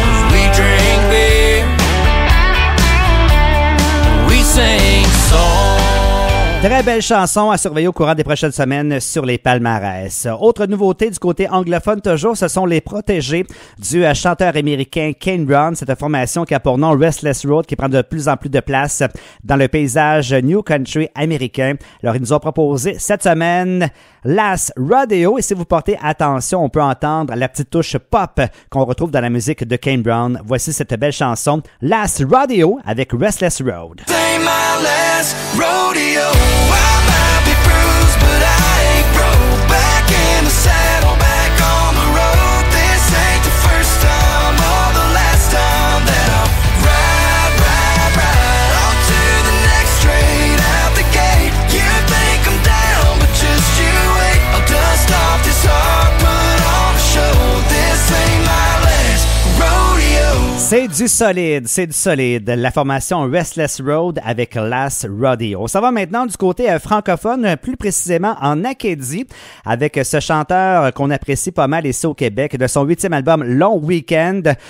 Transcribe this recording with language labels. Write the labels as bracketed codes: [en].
[en] We drink beer, we sing songs. [fr] Très belle chanson à surveiller au courant des prochaines semaines sur les palmarès. Autre nouveauté du côté anglophone toujours, ce sont les protégés du chanteur américain Kane Brown. C'est une formation qui a pour nom Restless Road qui prend de plus en plus de place dans le paysage New Country américain. Alors, ils nous ont proposé cette semaine Last Rodeo. Et si vous portez attention, on peut entendre la petite touche pop qu'on retrouve dans la musique de Kane Brown. Voici cette belle chanson Last Rodeo avec Restless Road. [en] Say my last rodeo. I might be bruised, but I ain't broke. Back in the saddle, back on the road. This ain't the first time or the last time that I'll ride, ride, ride on to the next train out the gate. You think I'm down, but just you wait. I'll dust off this heart, put on a show. This ain't my last rodeo. [fr] C'est du solide, c'est du solide. La formation Restless Road avec Last Rodeo. Ça va maintenant du côté francophone, plus précisément en Acadie, avec ce chanteur qu'on apprécie pas mal ici au Québec, de son 8e album Long Weekend.